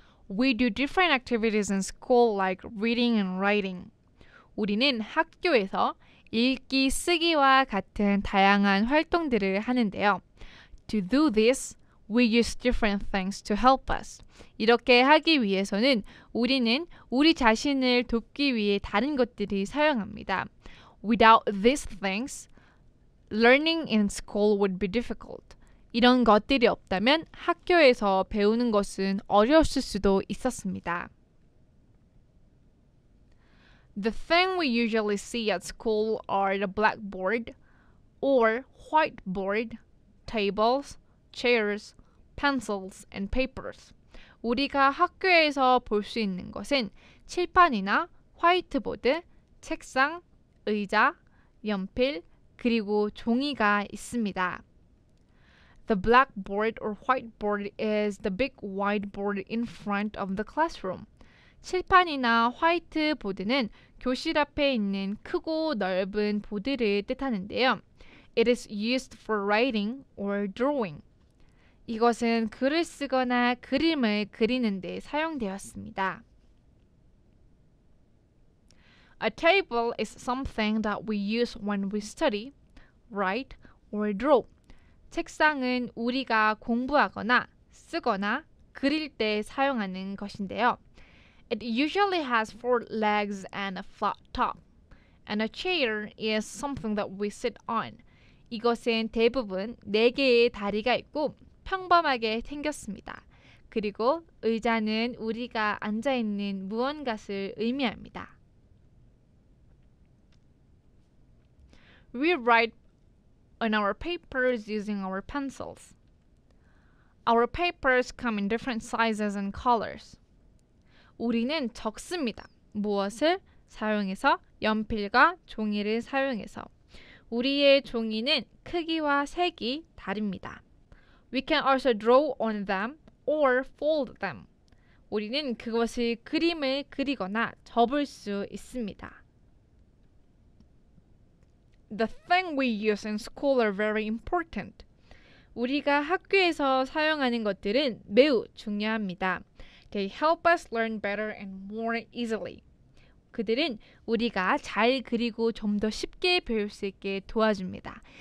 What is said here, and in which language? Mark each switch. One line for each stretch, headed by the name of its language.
English: We do different activities in school like reading and writing.
Korean: 우리는 학교에서 읽기, 쓰기와 같은 다양한 활동들을 하는데요.
English: To do this, we use different things to help us.
Korean: 이렇게 하기 위해서는 우리는 우리 자신을 돕기 위해 다른 것들이 사용합니다.
English: Without these things, learning in school would be difficult.
Korean: 이런 것들이 없다면 학교에서 배우는 것은 어려웠을 수도 있었습니다.
English: The thing we usually see at school are the blackboard or whiteboard, tables, chairs, pencils, and papers.
Korean: 우리가 학교에서 볼 수 있는 것은 칠판이나 화이트보드, 책상, 의자, 연필, 그리고 종이가 있습니다.
English: The blackboard or whiteboard is the big whiteboard in front of the classroom.
Korean: 칠판이나 화이트보드는 교실 앞에 있는 크고 넓은 보드를 뜻하는데요.
English: It is used for writing or drawing.
Korean: 이것은 글을 쓰거나 그림을 그리는 데 사용되었습니다.
English: A table is something that we use when we study, write, or draw.
Korean: 책상은 우리가 공부하거나 쓰거나 그릴 때 사용하는 것인데요.
English: It usually has four legs and a flat top. And a chair is something that we sit on.
Korean: 이것은 대부분 네 개의 다리가 있고 평범하게 생겼습니다. 그리고 의자는 우리가 앉아 있는 무언가를 의미합니다.
English: We write on our papers using our pencils. Our papers come in different sizes and colors.
Korean: 우리는 적습니다. 무엇을 사용해서? 연필과 종이를 사용해서. 우리의 종이는 크기와 색이 다릅니다.
English: We can also draw on them or fold them.
Korean: 우리는 그것을 그림을 그리거나 접을 수 있습니다.
English: The thing we use in school are very important.
Korean: 우리가 학교에서 사용하는 것들은 매우 중요합니다.
English: They help us learn better and more easily.
Korean: 그들은 우리가 잘 그리고 좀 더 쉽게 배울 수 있게 도와줍니다.